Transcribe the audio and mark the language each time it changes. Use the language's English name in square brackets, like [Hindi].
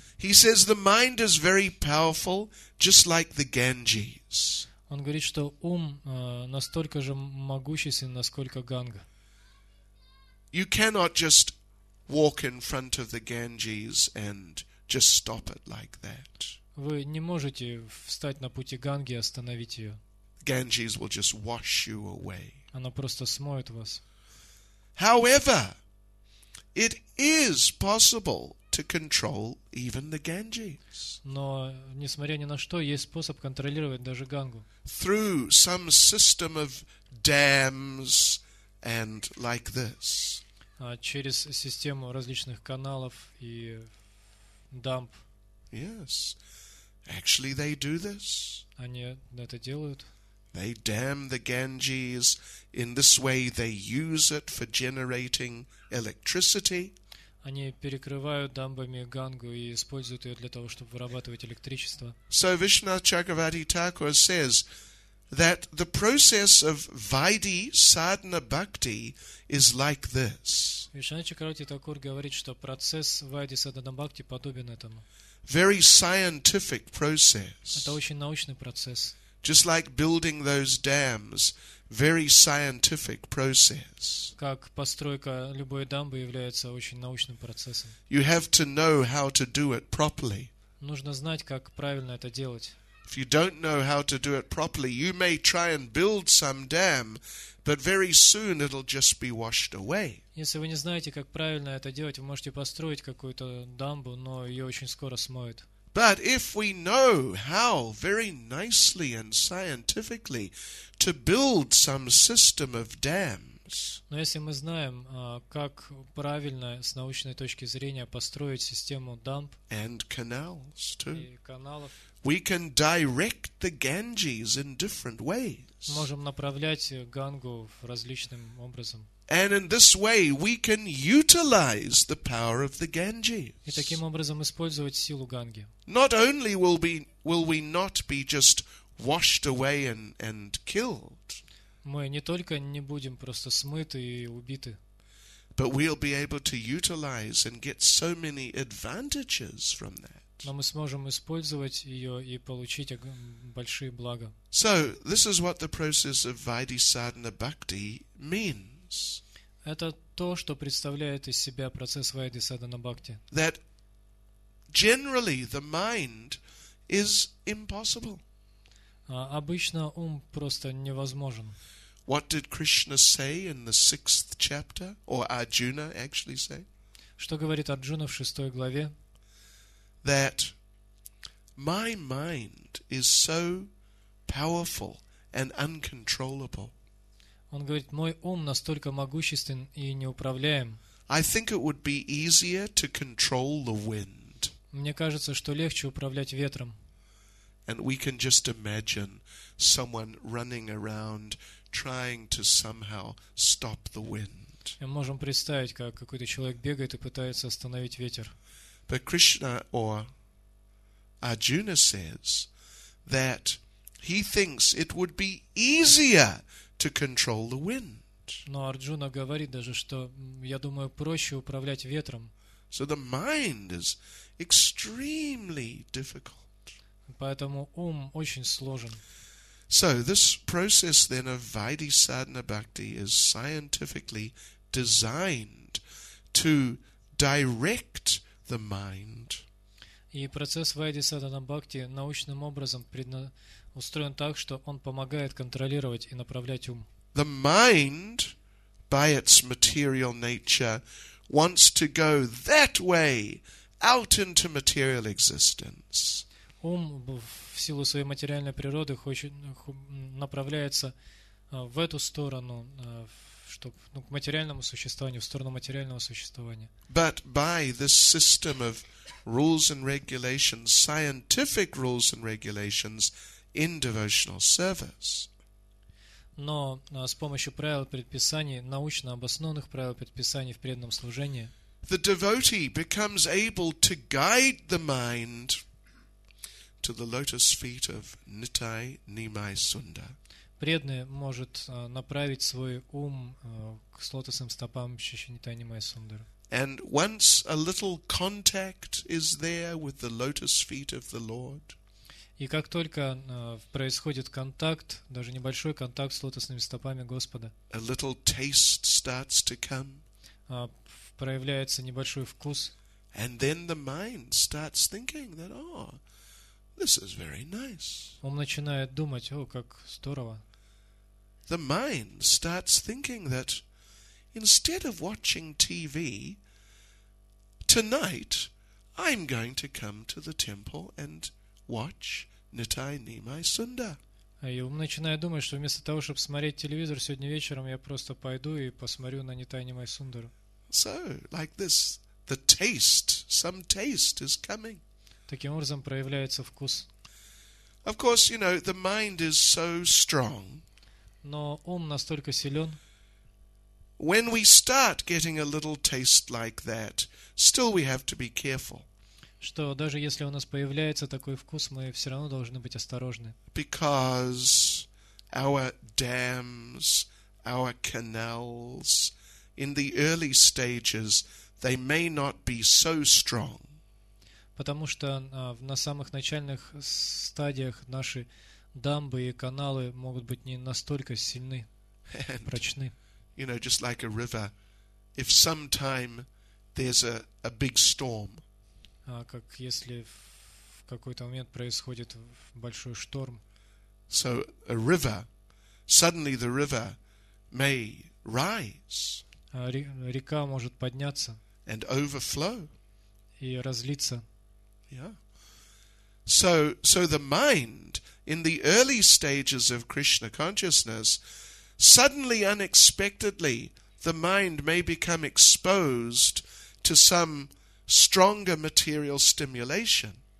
[English] He says the mind is very powerful, just like the Ganges. [Russian] Он говорит, что ум настолько же могущественен, насколько Ганга. [English] You cannot just walk in front of the Ganges and just stop it like that. [Russian] Вы не можете встать на пути Ганги и остановить ее. [English] Ganges will just wash you away. [Russian] Она просто смоет вас. [English] However, it is possible to control even the Ganges. [Russian] Но несмотря ни на что, есть способ контролировать даже Гангу. [English] Through some system of dams and like this. [Russian] Через систему различных каналов и дамб. [English] Yes. Actually they do this. [Russian] Они это делают. [English] They dam the Ganges. In this way, they use it for generating electricity. [Russian] Они перекрывают дамбами Гангу и используют ее для того, чтобы вырабатывать электричество. [English] So Vishwanath Chakravarti Thakur says that the process of Vaidhi Sadhana Bhakti is like this. [Russian] Vishwanath Chakravarti Thakur говорит, что процесс Vaidhi Sadhana Bhakti подобен этому. [English] Very scientific process. [Russian] Это очень научный процесс. [English] Just like building those dams, very scientific process. [Russian] Как постройка любой дамбы является очень научным процессом. [English] You have to know how to do it properly. [Russian] Нужно знать, как правильно это делать. [English] If you don't know how to do it properly, you may try and build some dam, but very soon it'll just be washed away. [Russian] Если вы не знаете, как правильно это делать, вы можете построить какую-то дамбу, но ее очень скоро смоет. [English] But if we know how very nicely and scientifically to build some system of dams. [Russian] Но если мы знаем, как правильно с научной точки зрения построить систему дамб. [English] And canals too. [Russian] И каналов. [English] We can direct the Ganges in different ways. [Russian] Можем направлять Гангу различным образом. [English] And in this way we can utilize the power of the Ganges. [Russian] И таким образом использовать силу Ганги. [English] Not only will we not be just washed away and killed. [Russian] Мы не только не будем просто смыты и убиты. [English] But we'll be able to utilize and get so many advantages from that. [Russian] Но мы сможем использовать ее и получить большие блага. [English] So, this is what the process of Vaidhisadhana Bhakti means. [Russian] Это то, что представляет из себя процесс Vaidhisadhana Bhakti. [English] That generally the mind is impossible. [Russian] Обычно ум просто невозможен. [English] What did Krishna say in the sixth chapter, or Arjuna actually say? [Russian] Что говорит Арджуна в шестой главе? [English] That my mind is so powerful and uncontrollable. [Russian] Он говорит, мой ум настолько могуществен и неуправляем. [English] I think it would be easier to control the wind. [Russian] Мне кажется, что легче управлять ветром. [English] And we can just imagine someone running around trying to somehow stop the wind. [Russian] Мы можем представить, как какой-то человек бегает и пытается остановить ветер. [English] But Krishna or Arjuna says that he thinks it would be easier to control the wind. [Russian] Но Арджуна говорит даже, что я думаю, проще управлять ветром. [English] So the mind is extremely difficult. [Russian] Поэтому ум очень сложен. [English] So this process then of Vaidhisadhana Bhakti is scientifically designed to direct the mind. [Russian] И процесс Вайдисадхана Бхакти научным образом устроен так, что он помогает контролировать и направлять ум. [English] The mind, by its material nature, wants to go that way, out into material existence. [Russian] Ум в силу своей материальной природы направляется в эту сторону, к материальному существованию, в сторону материального существования. [English] But by this system of rules and regulations, scientific rules and regulations in devotional service. [Russian] Но с помощью правил предписаний, научно обоснованных правил предписаний в преданном служении, [English] the devotee becomes able to guide the mind to the lotus feet of Nittai Nimai Sunda. [Russian] Преданный может направить свой ум к лотосным стопам Шишинитани Майсундара. [English] And once a little contact is there with the lotus feet of the Lord. [Russian] И как только происходит контакт, даже небольшой контакт с лотосными стопами Господа. [English] A little taste starts to come. [Russian] Проявляется небольшой вкус. [English] And then the mind starts thinking that, oh, this is very nice. [Russian] Ум начинает думать, о, как здорово. [English] The mind starts thinking that instead of watching TV, tonight I'm going to come to the temple and watch Nittai Nimai Sunda. [Russian] И ум начинает думать, что вместо того, чтобы смотреть телевизор сегодня вечером, я просто пойду и посмотрю на Nittai Nimai Sundara. [English] So, like this, the taste, some taste is coming. [Russian] Таким образом проявляется вкус. [English] Of course, you know, the mind is so strong. [Russian] Но ум настолько силен. [English] When we start getting a little taste like that, still we have to be careful. [Russian] Что даже если у нас появляется такой вкус, мы все равно должны быть осторожны. [English] Because our dams, our canals, in the early stages, they may not be so strong. [Russian] Потому что на самых начальных стадиях наши дамбы и каналы могут быть не настолько сильны, прочны. [English] You know, just like a river, if sometime there's a big storm. [Russian] Как если в какой-то момент происходит большой шторм. [English] So a river, suddenly the river may rise. [Russian] Река может подняться. [English] And overflow. [Russian] И разлиться. [English] Yeah. So the mind in the early stages of Krishna consciousness, suddenly, unexpectedly, the mind may become exposed to some stronger material stimulation.